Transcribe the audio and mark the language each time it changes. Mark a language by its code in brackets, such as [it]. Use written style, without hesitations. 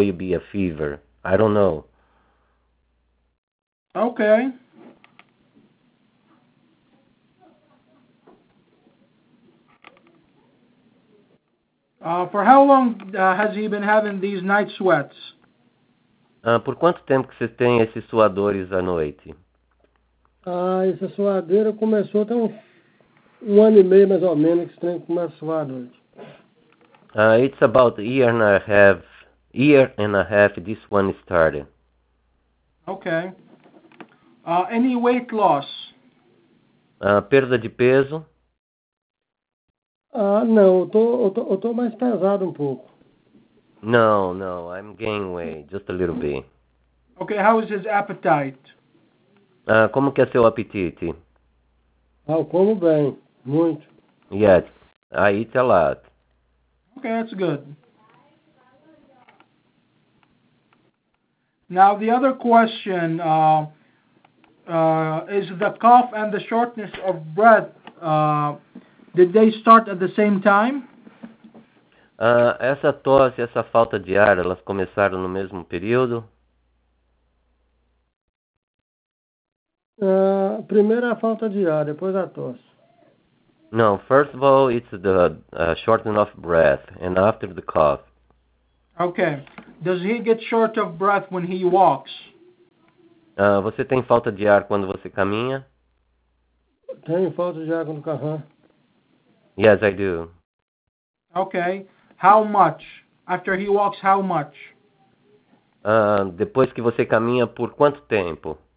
[en] You'd be a fever. I don't know. Okay. For how long has he been having these night sweats? [pt] Por quanto tempo que você tem esses suadores à noite? Essa suadeira começou até um ano e meio, mais ou menos, que você tem que começar a suar à noite. [en] It's about year and a half this one started. Okay. Any weight loss? [pt] Perda de peso? Não, eu tô mais pesado um pouco. [en] No, I'm gaining weight, just a little bit. Okay, how is his appetite? [pt] Como que é seu apetite? Eu como bem, muito. [en] Yes, I eat a lot. Okay, that's good. Now, the other question... is the cough and the shortness of breath, did they start at the same time? [pt] Essa tosse, essa falta de ar, elas começaram no mesmo período? Primeiro a falta de ar, depois a tosse. [en] No, first of all, it's the shortness of breath, and after the cough. Okay. Does he get short of breath when he walks? [pt] Você tem falta de ar quando você caminha? Tenho falta de ar quando caminho. [en] Yes, I do. Okay. How much? After he walks, how much? [pt] Depois que você caminha, por quanto tempo?